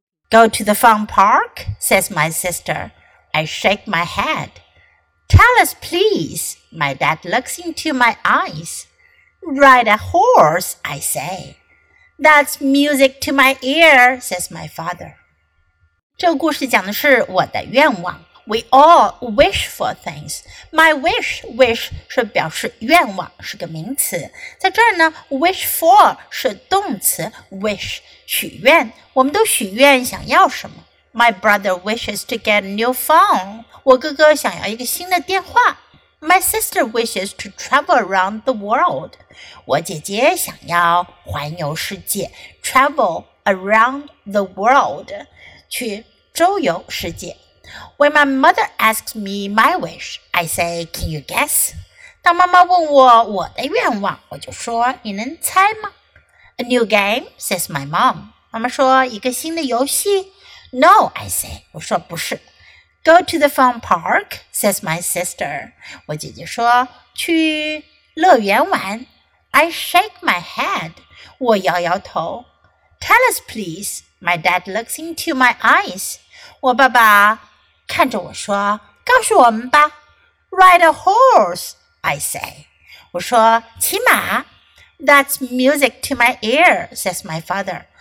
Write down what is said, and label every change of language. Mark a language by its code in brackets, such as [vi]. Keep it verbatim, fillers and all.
[en] "Go to the fun park?" says my sister. I shake my head. "Tell us, please." My dad looks into my eyes. "Ride a horse," I say. "That's music to my ear," says my father. [zh] 这个故事讲的是我的愿望。 [en] We all wish for things. My wish, wish [zh] 是表示愿望，是个名词。在这儿呢 ，wish for 是动词 ，wish 许愿。我们都许愿想要什么。 [en] My brother wishes to get a new phone. [zh] 我哥哥想要一个新的电话。 [en] My sister wishes to travel around the world. [zh] 我姐姐想要环游世界 ， [en] travel around the world. [zh] 去周游世界。 [en] When my mother asks me my wish, I say, "Can you guess?" [zh] 当妈妈问我我的愿望，我就说，你能猜吗？ [en] A new game, says my mom. [zh] 妈妈说一个新的游戏。 [en] No, I say. [zh] 我说不是。 [en] Go to the fun park, says my sister. [zh] 我姐姐说去乐园玩。 [en] I shake my head. [zh] 我摇摇头。 [en] Tell us, please. My dad looks into my eyes. [zh] 我爸爸看着我说，告诉我们吧。 [en] Ride a horse, I say. [zh] 我说骑马。 [en] That's music to my ear, says my father.